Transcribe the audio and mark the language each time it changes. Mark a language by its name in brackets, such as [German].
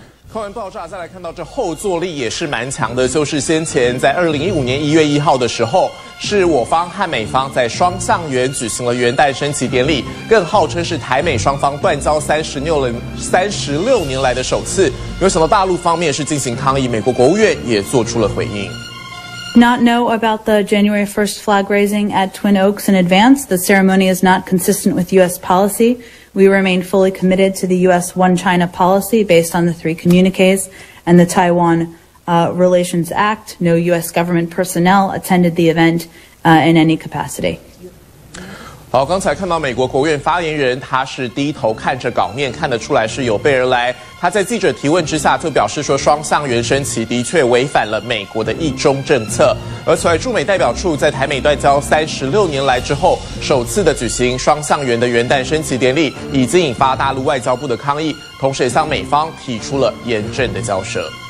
[Chinese] 看完爆炸，再来看到这后坐力也是蛮强的。就是先前在2015年1月1号的时候，是我方和美方在双向园举行了元旦升旗典礼，更号称是台美双方断交36年来的首次。没有想到大陆方面是进行抗议，美国国务院也做出了回应。 [English] Not know about the January 1st flag raising at Twin Oaks in advance. The ceremony is not consistent with U.S. policy. We remain fully committed to the U.S. One-China policy based on the three communiques and the Taiwan Relations Act. No U.S. government personnel attended the event in any capacity. [Chinese] 好，刚才看到美国国务院发言人，他是低头看着稿面，看得出来是有备而来。他在记者提问之下就表示说，双向原生棋的确违反了美国的一中政策。而此外，驻美代表处在台美断交36年来之后，首次的举行双向原的元旦升旗典礼，已经引发大陆外交部的抗议，同时也向美方提出了严正的交涉。